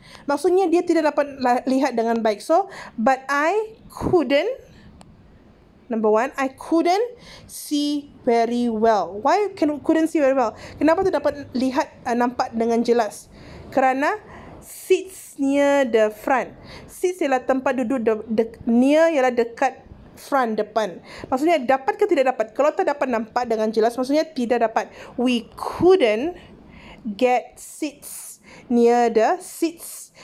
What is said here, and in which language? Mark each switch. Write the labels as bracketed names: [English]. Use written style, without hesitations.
[Malay] Maksudnya dia tidak dapat lihat dengan baik. [English] So, but I couldn't. Number one, I couldn't see very well. Why couldn't see very well? [Malay] Kenapa tu dapat lihat, nampak dengan jelas? Kerana [English] seats near the front. [Malay] Seats ialah tempat duduk, near ialah dekat front, depan. Maksudnya dapat ke tidak dapat? Kalau tak dapat nampak dengan jelas, maksudnya tidak dapat. [English] We couldn't get seats near the seats.